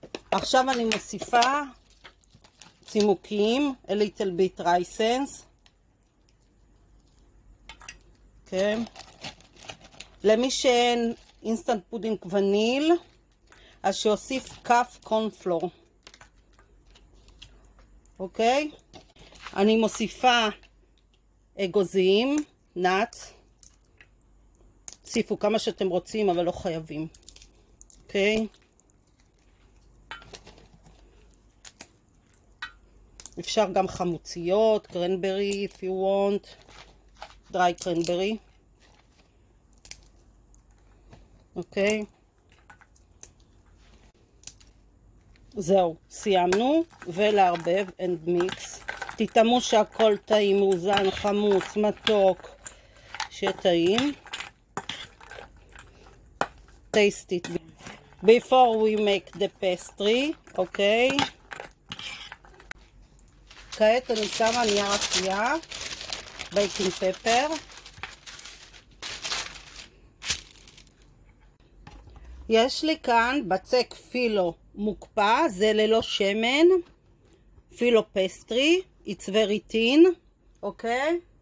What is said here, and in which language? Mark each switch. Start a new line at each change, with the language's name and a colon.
Hebrew: עכשיו אני מוסיפה צימוקים,
English: a little bit raisins, okay.
Hebrew: למי שאין אינסטנט פודינג וניל, אז שאוסיף קף קורנפלור, אוקיי? אני מוסיפה אגוזים, נאץ, תוסיפו כמה שאתם רוצים, אבל לא חייבים, אוקיי? אפשר גם חמוציות, קרנברי,
English: if you want,
Hebrew: dry קרנברי. אוקיי. זהו, סיימנו, ולערבב
English: and mix.
Hebrew: תתאמו שהכל טעים, מוזן, חמוץ, מתוק, שטעים.
English: Taste it before we make the pastry, אוקיי.
Hebrew: כעת אני שמה נייר אפייה, בייקינג פפר. יש לי כאן בצק פילו מוקפא, זה ללא שמן, פילו פסטרי,
English: it's very thin,
Hebrew: אוקיי?